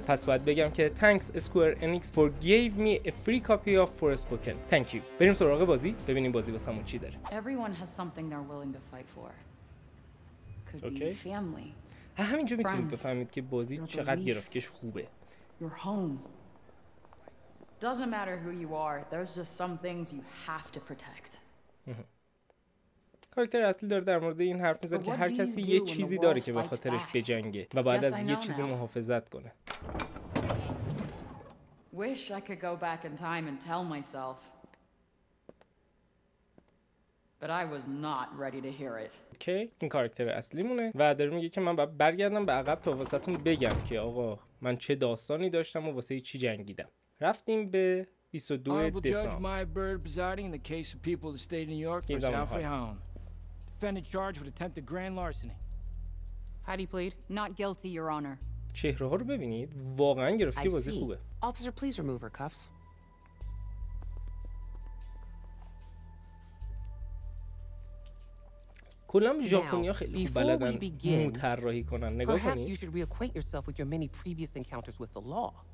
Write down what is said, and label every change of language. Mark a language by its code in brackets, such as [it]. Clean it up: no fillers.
[fa] پس باید بگم که [en] thanks Square Enix for gave me a free copy of Forspoken. Thank you. [fa] بریم سراغ بازی، ببینیم بازی واسمون چی داره. [en] Everyone has something they're willing to fight for. Could be okay. Family. [fa] همینجا میتونید بفهمید که بازی چقدر گرافیکش خوبه. [en] Your home. Doesn't matter who you are. There's just some things you have to protect. [fa] کاراکتر اصلی داره در مورد این حرف میزنه که هر کسی یه چیزی داره که به خاطرش بجنگه و باید از یه چیزی محافظت کنه. [en] Wish I could go back in time and tell myself. But I was not ready to hear it. [fa] اوکی، این کاراکتر اصلی مونه و داره میگه که من باید برگردم به عقب تا واسهتون بگم که آقا من چه داستانی داشتم و واسه چی جنگیدم. رفتیم به 22 دسامبر. [en] Defendant charged with attempted grand larceny. How do you plead? Not guilty, Your Honor. [fa] چهره ها رو ببینید، واقعا گرافیک بازی خوبه. [en] Officer, please remove her cuffs. [fa] کلم ژاپنی‌ها خیلی بلدن مو طراحی کنن. نگاه کنید. [en] Perhaps you should reacquaint yourself with your many previous encounters with the law.